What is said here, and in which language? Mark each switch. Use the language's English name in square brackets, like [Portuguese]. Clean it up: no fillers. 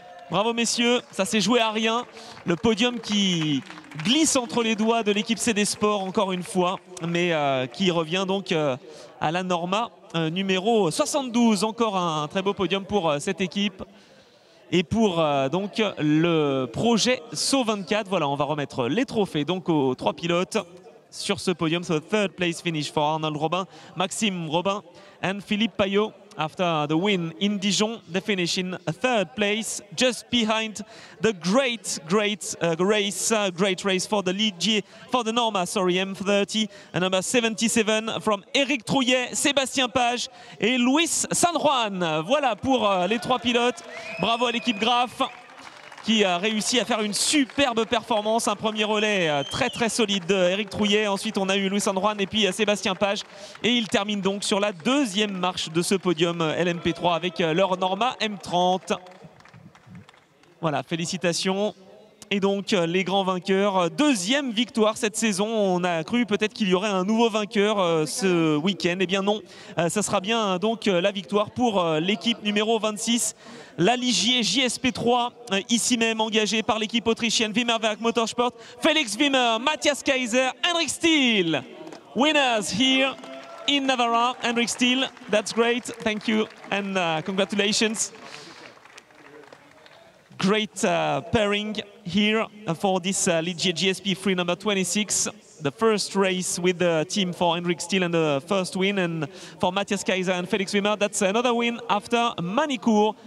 [French] Bravo messieurs, ça s'est joué à rien. Le podium qui glisse entre les doigts de l'équipe CD Sport encore une fois, mais qui revient donc à la Norma. Numéro 72, encore un très beau podium pour cette équipe et pour donc le projet Saut 24. Voilà, on va remettre les trophées donc aux trois pilotes sur ce podium. [English] So third place finish for Arnold Robin, Maxime Robin and Philippe Payot after the win in Dijon. They finish in third place, just behind the great race for the lead for the Norma, sorry, M30, and number 77 from Eric Trouillet, Sébastien Page et Luis San Juan. [French] Voilà pour les trois pilotes. Bravo à l'équipe Graf qui a réussi à faire une superbe performance. Un premier relais très très solide d'Éric Trouillet. Ensuite, on a eu Luis San Juan et puis Sébastien Page. Et ils terminent donc sur la deuxième marche de ce podium LMP3 avec leur Norma M30. Voilà, félicitations. Et donc, les grands vainqueurs. Deuxième victoire cette saison. On a cru peut-être qu'il y aurait un nouveau vainqueur ce week-end. Eh bien non, ça sera bien donc la victoire pour l'équipe numéro 26. La Ligier JSP3, ici même engagée par l'équipe autrichienne Wimmerwerk Motorsport, Felix Wimmer, Matthias Kaiser, Hendrik Steele. [English] Winners here in Navarra, Hendrik Steele, that's great, thank you and congratulations. Great pairing here for this Ligier JSP3 number 26. The first race with the team for Hendrik Steele and the first win, and for Matthias Kaiser and Felix Wimmer, that's another win after Manicourt.